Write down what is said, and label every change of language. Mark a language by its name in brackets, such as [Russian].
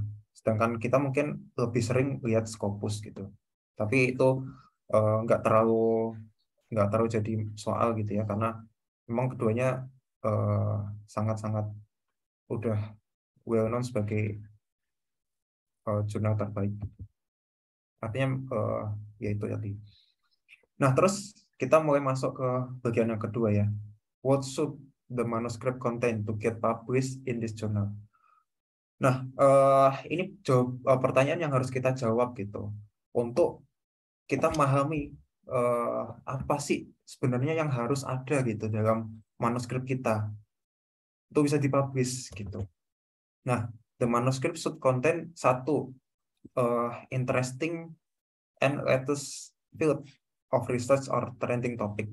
[Indonesian] Sedangkan kita mungkin lebih sering lihat Scopus gitu. Tapi itu nggak terlalu jadi soal gitu ya, karena memang keduanya sangat-sangat udah well known sebagai jurnal terbaik. Artinya ya itu tadi. Nah, terus kita mulai masuk ke bagian yang kedua ya. [English] What should the manuscript contain to get published in this journal? [Indonesian] Nah, ini pertanyaan yang harus kita jawab gitu. Untuk kita memahami apa sih sebenarnya yang harus ada gitu dalam manuskrip kita itu bisa dipublish gitu. [English] Nah, the manuscript should contain satu, interesting and latest field of research or trending topic.